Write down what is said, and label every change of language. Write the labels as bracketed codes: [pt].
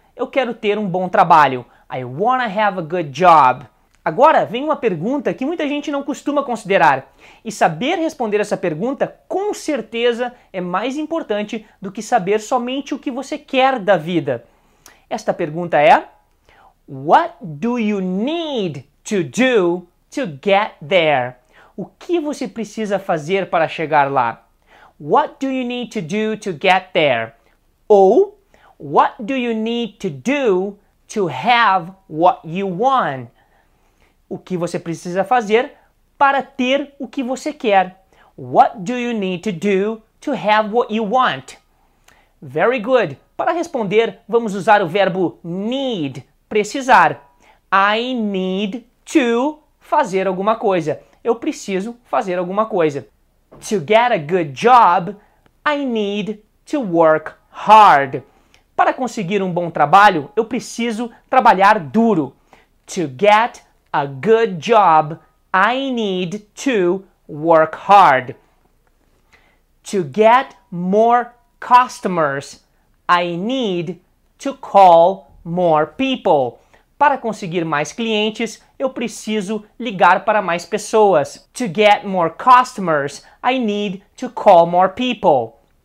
[pt] Eu quero ter um bom trabalho. [en] I want to have a good job. [pt] Agora, vem uma pergunta que muita gente não costuma considerar. E saber responder essa pergunta, com certeza, é mais importante do que saber somente o que você quer da vida. Esta pergunta é... [en] What do you need to do to get there? [pt] O que você precisa fazer para chegar lá? [en] What do you need to do to get there? Ou... What do you need to do to have what you want? [pt] O que você precisa fazer para ter o que você quer? [en] What do you need to do to have what you want? Very good. [pt] Para responder, vamos usar o verbo need, precisar. [en] I need to [pt] fazer alguma coisa. Eu preciso fazer alguma coisa. [en] To get a good job, I need to work hard. [pt] Para conseguir um bom trabalho, eu preciso trabalhar duro. [en] To get a good job, I need to work hard. To get more customers, I need to call more people. [pt] Para conseguir mais clientes, eu preciso ligar para mais pessoas. [en] To get more customers, I need to call more people.